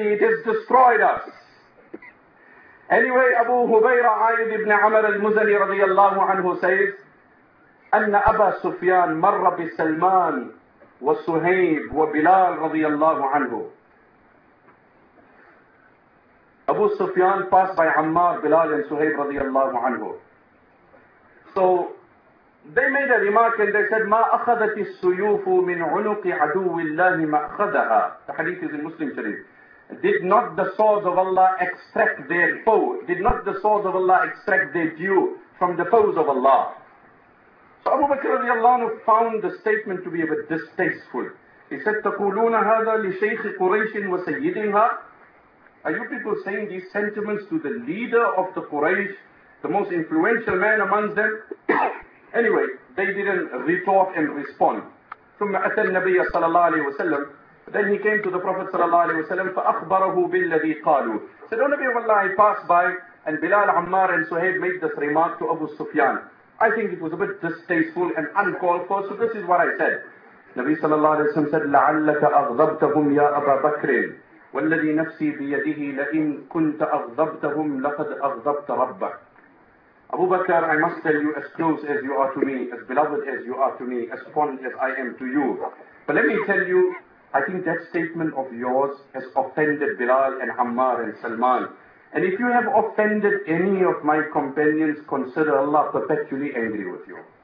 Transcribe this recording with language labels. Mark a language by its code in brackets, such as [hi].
[en] It has destroyed us. Anyway, Abu Hubayra Ayyub ibn Amr al-Muzani radiallahu anhu says, [ar] أن أبا سفيان مر بسلمان وسهيب وبلال رضي الله عنه. [en] Abu Sufyan passed by Ammar, Bilal and Suhaib [ar] رضي الله عنه. [en] So they made a remark and they said, [ar] ما أخذت السيوف من عنق عدو الله ما أخذها. [en] The hadith is in Muslim Sharif. Did not the swords of Allah extract their foe? Did not the swords of Allah extract their due from the foes of Allah? So Abu Bakr radiallahu anhu found the statement to be a bit distasteful. He said, [ar] تَقُولُونَ هَذَا لِشَيْخِ قُرَيْشٍ وَسَيِّدِهَا. [en] Are you people saying these sentiments to the leader of the Quraysh, the most influential man amongst them? Anyway, they didn't retort and respond. [ar] ثُمَّ أَتَى النَّبِيَّ صَلَى اللَّهُ عَلَيْهِ وَسَلَّمْ. [en] Then he came to the Prophet [ar] صلى الله عليه وسلم, فَأَخْبَرَهُ بِالَّذِي قَالُوا. [en] Said, O Nabi of Allah, I passed by, and Bilal, Ammar and Suhaib made this remark to Abu Sufyan. I think it was a bit distasteful and uncalled for, so this is what I said. [ar] Nabi sallallahu alayhi wa sallam [en] said, [ar] لَعَلَّكَ أَغْضَبْتَهُمْ يَا أَبَا بَكْرٍ وَالَّذِي نَفْسِي بِيَدِهِ لَإِنْ كُنْتَ أَغْضَبْتَهُمْ لَقَدْ أَغْضَبْتَ رَبَّكَ. [en] Abu Bakr, I must tell you, as close as you are to me, as beloved as you are to me, as fond as I am to you. But let me tell you, I think that statement of yours has offended Bilal and Ammar and Salman. And if you have offended any of my companions, consider Allah perpetually angry with you.